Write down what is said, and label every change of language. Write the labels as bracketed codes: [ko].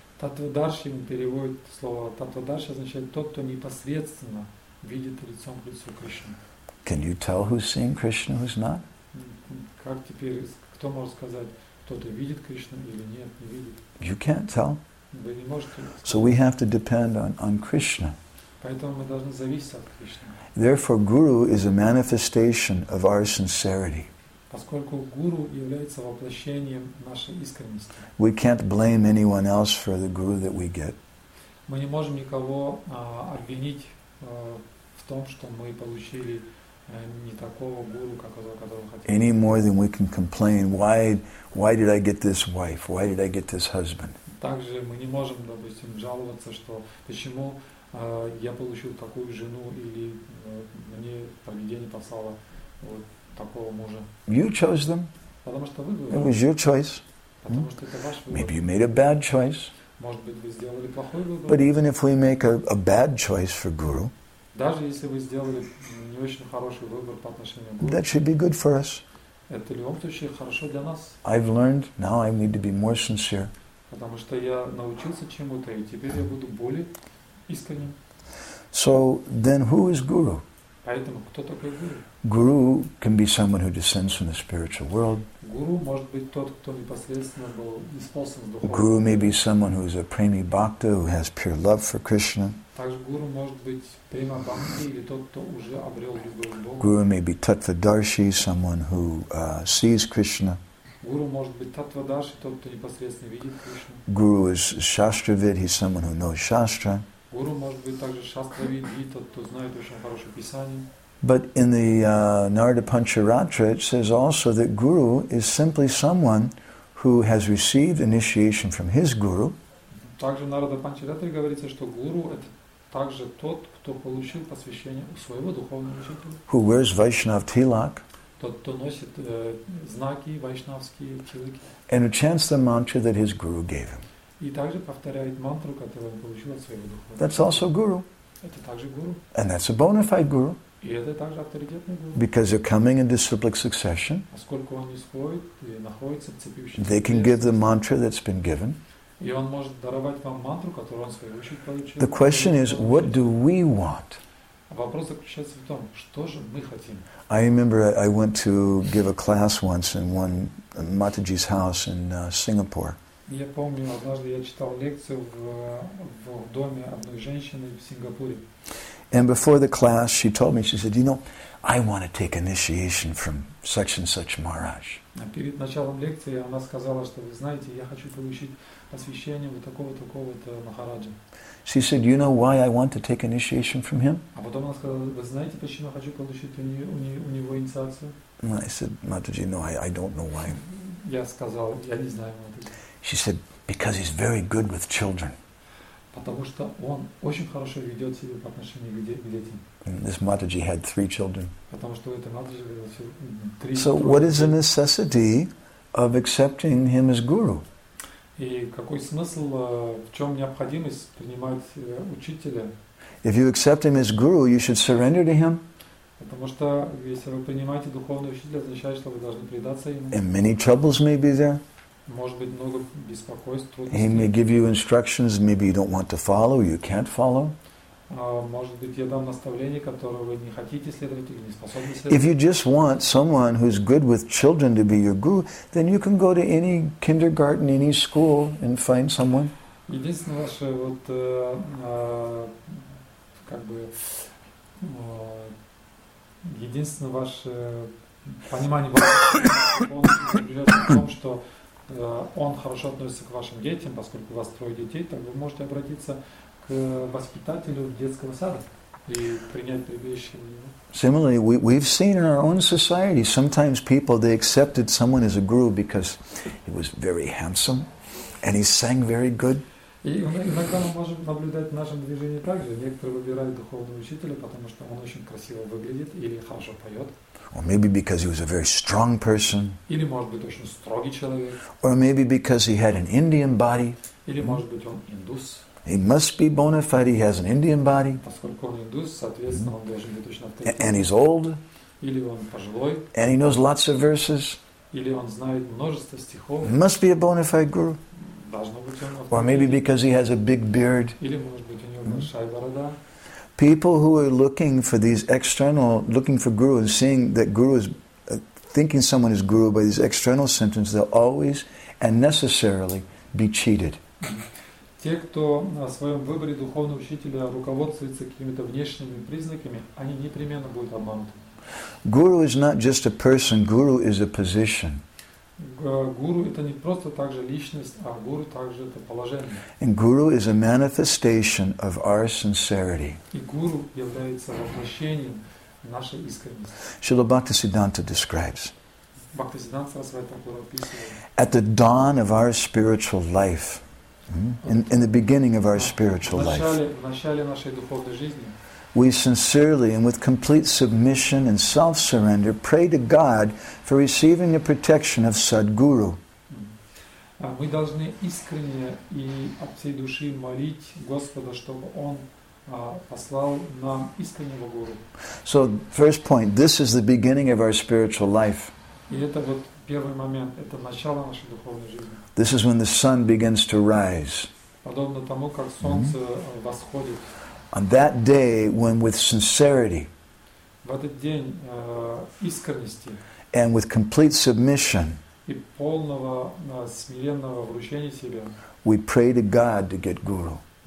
[ru] Таттва-дарши, он переводит слово таттва-дарши, означает тот, кто непосредственно видит лицом к лицу Кришну. [en] Can you tell who's seeing Krishna, who's not? [ru] Как теперь, кто может сказать, кто-то видит Кришну или нет, не видит? [en] You can't tell. [ru] Вы не можете. [en] So we have to depend on Krishna. [ru] Поэтому мы должны зависеть от Кришны. [en] Therefore, guru is a manifestation of our sincerity. [ru] Поскольку гуру является воплощением нашей искренности. [en] We can't blame anyone else for the guru that we get. [ru] Мы не можем никого обвинить в том, что мы получили не такого гуру, которого хотели. [en] Any more than we can complain, why did I get this wife? Why did I get this husband? [ru] Также мы не можем, допустим, жаловаться, что почему я получил такую жену или мне провидение послало вот такого мужа. [en] You chose them. [ru] Потому что вы выбрали. [en] It was your choice. [ru] Потому что это ваш выбор. [en] Maybe you made a bad choice. [ru] Может быть, вы сделали плохой выбор. [en] But even if we make a bad choice for guru, [ru] даже если вы сделали не очень хороший выбор по отношению к гуру, [en] that should be good for us. [ru] Это в любом случае хорошо для нас. [en] I've learned, now I need to be more sincere. [ru] Потому что я научился чему-то, и теперь я буду более искренним. [en] So then who is guru? [ru] Поэтому кто такой гуру? [en] Guru can be someone who descends from the spiritual world. [ru] Guru может быть тот, кто непосредственно был исполнен духовным. [en] Guru may be someone who is a premi bhakta, who has pure love for Krishna. [ru] Также гуру может быть према бхакти или тот, кто уже обрел любовь к Богу. [en] Guru may be tattvadarshi, someone who sees Krishna. [ru] Guru может быть tattvadarshi, тот, кто непосредственно видит Кришну. [en] Guru is shastravid, he's someone who knows shastra. [ru] Guru может быть также shastravid, и тот, кто знает очень хорошее писание. [en] But in the Narada Pancharatra, it says also that guru is simply someone who has received initiation from his guru. [ru] Также Narada Pancharatra говорится, что guru это также тот, кто получил посвящение у своего духовного учителя. [en] Who wears Vaishnav tilak? [ru] Тот, кто носит знаки вайшнавские тилаки. [en] And chants the mantra that his guru gave him. [ru] И также повторяет мантру, которую он получил от своего духовного учителя. [en] That's also guru. [ru] Это также guru. [en] And that's a bona fide guru. [ru] И это также авторитетный гуру. [en] Because they're coming in disciplic succession. [ru] Поскольку он исходит и находится в цепи учителя. [en] They can give the mantra that's been given. [ru] И он может даровать вам мантру, которую он свой учитель получил. [en] The question is, what do we want? [ru] Вопрос заключается в том, что же мы хотим. [en] I remember I went to give a class once in one Mataji's house in Singapore. [ru] Я помню, однажды я читал лекцию в доме одной женщины в Сингапуре. [en] And before the class, she told me, she said, you know, I want to take initiation from such and such Maharaj. [ru] Перед началом лекции она сказала, что вы знаете, я хочу получить посвящение вот такого-такого-то Махараджа. [en] She said, you know why I want to take initiation from him? [ru] А потом она сказала, вы знаете, почему я хочу получить у него инициацию? [en] I said, Mataji, no, I don't know why. [ru] Я сказал, я не знаю, Mataji. [en] She said, because he's very good with children. [ru] Потому что он очень хорошо ведет себя по отношению к детям. [en] This Mataji had three children. [ru] Потому что это Mataji было три. [en] So what is the necessity of accepting him as guru? [ru] И какой смысл, в чем необходимость принимать учителя? [en] If you accept him as guru, you should surrender to him. [ru] Потому что если вы принимаете духовного учителя, означает, что вы должны предаться ему. [en] And many troubles may be there. [ru] Может быть, много беспокойств, трудностей. [en] He may give you instructions, maybe you don't want to follow, you can't follow. [ru] Может быть, я дам наставление, которое вы не хотите следовать или не способны следовать. [en] If you just want someone who's good with children to be your guru, then you can go to any kindergarten, any school and find someone. [ru] Единственное ваше вот как бы единственное ваше понимание в том, что он хорошо относится к вашим детям, поскольку у вас трое детей, так вы можете обратиться к воспитателю детского сада и принять прибежище у него. [en] Similarly, we've seen in our own society sometimes people they accepted someone as a guru because he was very handsome and he sang very good. [ru] И иногда мы можем наблюдать в нашем движении также. Некоторые выбирают духовного учителя, потому что он очень красиво выглядит или хорошо поет. [en] Or maybe because he was a very strong person. [ru] Или, может быть, очень строгий человек. [en] Or maybe because he had an Indian body. [ru] Или, может быть, он индус. [en] He must be bona fide, he has an Indian body. [ru] Поскольку он индус, соответственно, он должен быть очень авторитетным. [en] And he's old. [ru] Или он пожилой. [en] And he knows lots of verses. [ru] Или он знает множество стихов. [en] He must be a bona fide guru. [ru] Должно быть, он [en] Or maybe because he has a big beard. [ru] Или, может быть, у него большая борода. [en] People who are looking for these external, looking for guru and seeing that guru is, thinking someone is guru by these external symptoms, they'll always and necessarily be cheated. [ru] Те, кто на своем выборе духовного учителя руководствуется какими-то внешними признаками, они непременно будут обмануты. [en] Guru is not just a person, guru is a position. [ru] Гуру это не просто также личность, а гуру также это положение. [en] And guru is a manifestation of our sincerity. [ru] И гуру является воплощением нашей искренности. [en] Шрила Бхактисиддханта describes. [ru] Бхактисиддханта Расвайта Гуру описывает. [en] At the dawn of our spiritual life, in the beginning of our spiritual life. [ru] В начале нашей духовной жизни. [en] We sincerely and with complete submission and self-surrender pray to God for receiving the protection of Sadguru. [ru] Мы должны искренне и от всей души молить Господа, чтобы Он послал нам искреннего гуру. [en] So, first point, this is the beginning of our spiritual life. [ru] И это вот первый момент, это начало нашей духовной жизни. [en] This is when the sun begins to rise. [ru] Подобно тому, как солнце восходит. [en] On that day, when with sincerity and with complete submission we pray to God to get Guru.